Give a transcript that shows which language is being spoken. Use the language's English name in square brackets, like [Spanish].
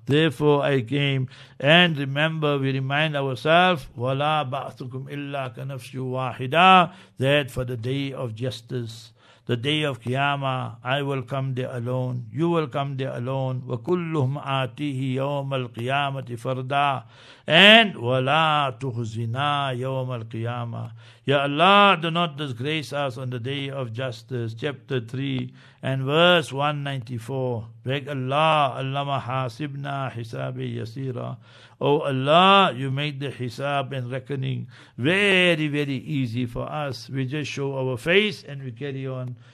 [English] Therefore I came. And remember, we remind ourselves, [Arabic] وَلَا بَعْثُكُمْ إِلَّا كَنَفْسُ وَاحِدًا, [English] that for the day of justice, the day of Qiyamah, I will come there alone, you will come there alone. [Arabic] وَكُلُّهُمْ آتِيهِ يَوْمَ الْقِيَامَةِ فَرْدًا. And وَلَا تُخْزِنَا يَوْمَ الْقِيَامَةِ. [English] Ya Allah, do not disgrace us on the day of justice. Chapter 3 and verse 194. Beg Allah, [Arabic] Allama hasibna hisabi yasira. [English] O Allah, you make the hisab and reckoning very, very easy for us. We just show our face and we carry on.